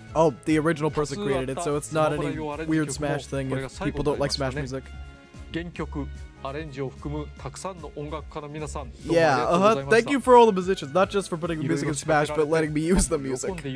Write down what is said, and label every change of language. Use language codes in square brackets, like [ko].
[en] Oh, the original person created it, so it's not any weird Smash thing if people don't like Smash music. [ja] 原曲、アレンジを含むたくさんの音楽家の皆さん、 [en] Yeah, uh-huh. Thank you for all the musicians, not just for putting the music in Smash, but letting me use the music.